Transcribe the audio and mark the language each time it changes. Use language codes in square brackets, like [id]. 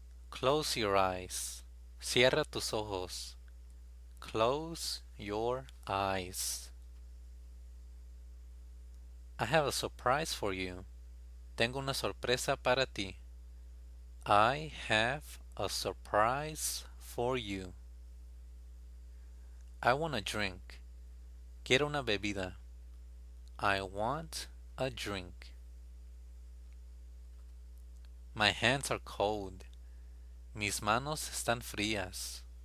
[en] Close your eyes. [es] Cierra tus ojos. [en] Close your eyes. I have a surprise for you. [es] Tengo una sorpresa para ti. [en] I have a surprise for you. I want a drink. [es] Quiero una bebida. [en] I want a drink. My hands are cold. [es] Mis manos están frías.